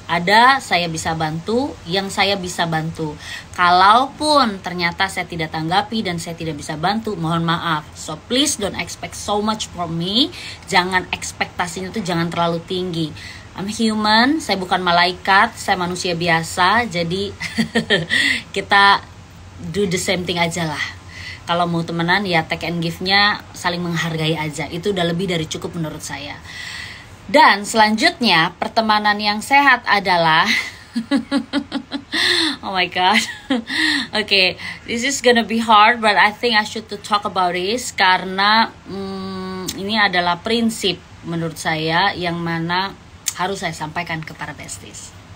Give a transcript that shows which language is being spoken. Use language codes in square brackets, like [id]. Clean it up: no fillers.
[id] Ada saya bisa bantu, yang saya bisa bantu. Kalaupun ternyata saya tidak tanggapi dan saya tidak bisa bantu, mohon maaf. [en] So please don't expect so much from me. [id] Jangan ekspektasinya tuh jangan terlalu tinggi. [en] I'm human, [id] saya bukan malaikat, saya manusia biasa. Jadi kita [en] do the same thing [id] aja lah. Kalau mau temenan ya [en] take and give- [id] nya saling menghargai aja. Itu udah lebih dari cukup menurut saya. Dan selanjutnya, pertemanan yang sehat adalah, [en] oh my god, okay, this is gonna be hard, but I think I should to talk about this, [id] karena ini adalah prinsip menurut saya yang mana harus saya sampaikan ke para besties.